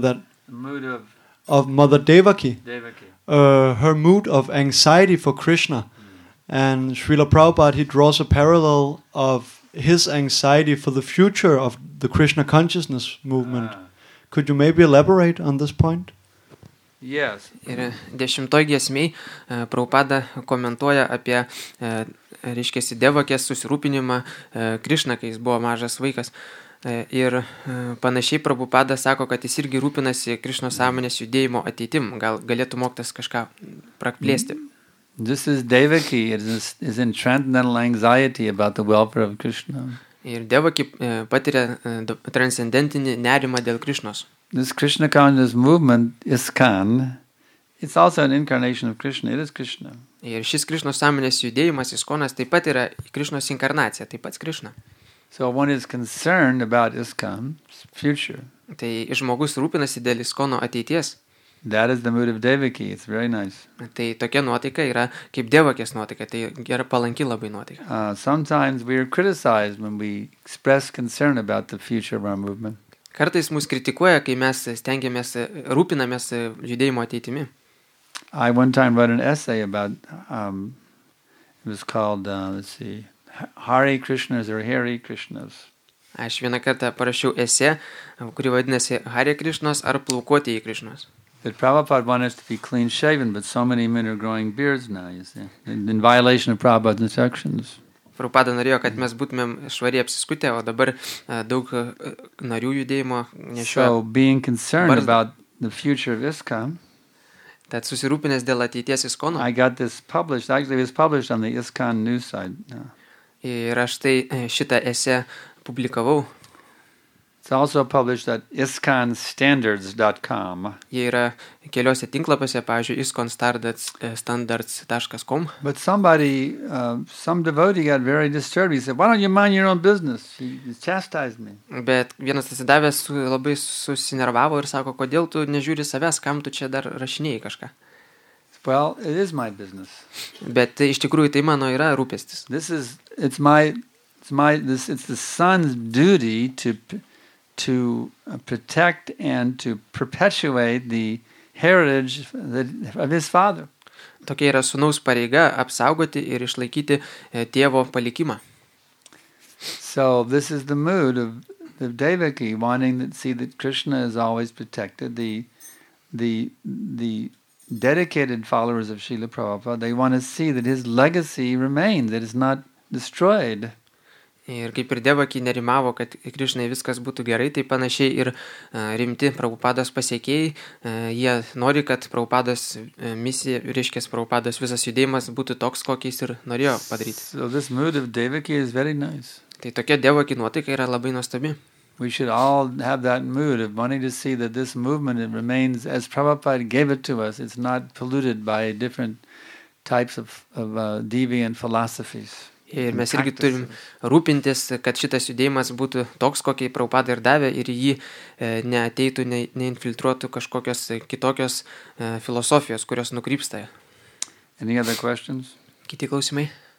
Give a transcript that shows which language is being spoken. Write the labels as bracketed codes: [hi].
[en] the mood of Mother Devaki. Devaki. Her mood of anxiety for Krishna. Mm. And Srila Prabhupada, he draws a parallel of his anxiety for the future of the Krishna consciousness movement. Could you maybe elaborate on this point? Yes. [lt] Ir dešimtoj giesmėj Prabhupada komentuoja apie reiškiasi Devakės susirūpinimą Krishna, kai jis buvo mažas vaikas. Ir panašiai Prabhupada sako, kad jis irgi rūpinasi Krišno sąmonės judėjimo ateitim. Gal galėtų moktas kažką praplėsti. [en] This is Devaki. It is in transcendental anxiety about the welfare of Krishna. [lt] Ir Devaki patiria transcendentinį nerimą dėl Krišnos. [en] This Krishna consciousness movement, ISKCON, it's also an incarnation of Krishna. It is Krishna. [lt] Ir šis Krišno sąmonės judėjimas, ISKCONas, taip pat yra Krišnos inkarnacija, taip pat Krišna. [en] So one is concerned about ISKCON's future. [lt] Tai žmogus rūpinasi dėl ISKCONo ateities. [en] That is the mood of Devaki. It's very nice. [lt] Tai tokia nuotaika yra kaip Devakės nuotaika. Tai yra palanki labai nuotaika. [en] Sometimes we are criticized when we express concern about the future of our movement. [lt] Kartais mus kritikuoja, kai mes stengiamės rūpinamės judėjimo ateitimi. [en] I one time wrote an essay about it was called Hare Krishnas or Hare Krishnas. [lt] Aš vieną kartą parašiau esė, kuri vadinasi Hare Krishnas ar plaukuotieji Krishnas. [en] That Prabhupada wanted us to be clean-shaven, but so many men are growing beards now, you see, in violation of Prabhupada's instructions. [lt] Prabhupada norėjo, kad mes būtumėm švariai apsiskutę, o dabar daug narių judėjimo nešioja. [en] So, being concerned about the future of ISKCON, [lt] tad susirūpinęs dėl ateities ISKCONų, [en] I got this published, actually it was published on the ISKCON news site. [lt] Ir aš tai šitą esę publikavau. [en] It's also published at iskonstandards.com. [lt] Jie yra keliose tinklapiuose, pavyzdžiui, iskonstandards.com. [en] But somebody, some devotee got very disturbed. He said, why don't you mind your own business? He chastised me. [lt] Bet vienas atsidavęs labai susinervavo ir sako, kodėl tu nežiūri savęs, kam tu čia dar rašinėjai kažką. [en] Well, it is my business. [lt] Bet iš tikrųjų tai mano yra rūpestis. [en] It's the son's duty to protect and to perpetuate the heritage of his father. [lt] Tokia yra sūnaus pareiga apsaugoti ir išlaikyti tėvo palikimą. [en] So this is the mood of the Devaki wanting to see that Krishna is always protected. The dedicated followers of Srila Prabhupada, they want to see that his legacy remains, that it's not destroyed. [lt] Ir kaip ir Devaki nerimavo, kad Krišnai viskas būtų gerai, tai panašiai ir rimti Prabhupados pasiekėjai, jie nori, kad Prabhupados misija, reiškia Prabhupados visas judėjimas būtų toks, kokiais ir norėjo padaryti. [en] So this mood of Devaki is very nice. [lt] Tai tokia Devaki nuotaika yra labai nuostabi. [en] We should all have that mood of wanting to see that this movement it remains as Prabhupada gave it to us. It's not polluted by different types of deviant philosophies. [lt] Ir mes irgi turim rūpintis, kad šitas judėjimas būtų toks, kokį Prabhupada ir davė, ir jį neateitų, neinfiltruotų kažkokios kitokios filosofijos, kurios nukrypsta. [en] Any other questions? [lt] Kiti klausimai?